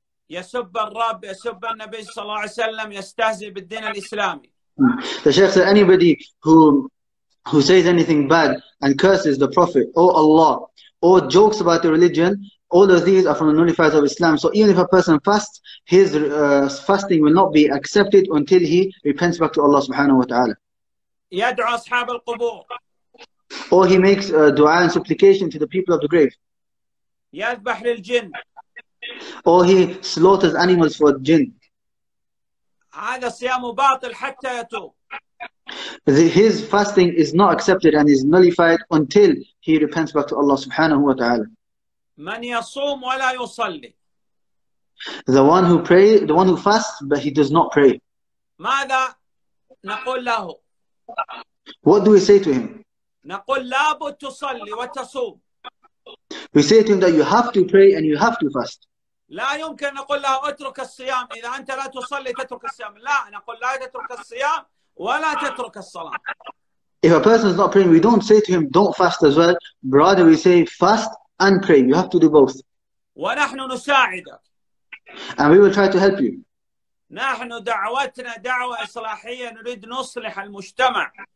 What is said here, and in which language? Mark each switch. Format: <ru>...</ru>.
<ar>يسب الرب يسب النبي صلى الله عليه وسلم يستهزئ بالدين الإسلامي.</ar> <en>The Sheikh says anybody who says anything bad and curses the Prophet or Allah or jokes about the religion, all of these are from the nullifiers of Islam. So even if a person fasts, his fasting will not be accepted until he repents back to Allah subhanahu wa ta'ala.</en> <ar>يدعو أصحاب القبور.</ar> <en>Or he makes a dua and supplication to the people of the grave.</en> <ar>يذبح للجن.</ar> <en>Or he slaughters animals for jinn.</en> <ar>هذا صيام باطل حتى يتوب.</ar> <en>His fasting is not accepted and is nullified until he repents back to Allah subhanahu wa ta'ala.</en> <ar>من يصوم ولا يصلي.</ar> <en>The one who prays, the one who fasts, but he does not pray.</en> <ar>ماذا نقول له?</ar> <en>What do we say to him?</en> <ar>نقول لابد تصلي وتصوم.</ar> <en>We say to him that you have to pray and you have to fast.</en> <ar>لا يمكن نقول له اترك الصيام إذا أنت لا تصلي تترك الصيام. لا نقول لا تترك الصيام ولا تترك الصلاة.</ar> <en>If a person is not praying, we don't say to him don't fast as well. Rather, we say fast and pray. You have to do both.</en> <ar>ونحن نساعدك.</ar> <en>And we will try to help you.</en> <ar>نحن دعوتنا دعوة إصلاحية نريد نصلح المجتمع.</ar>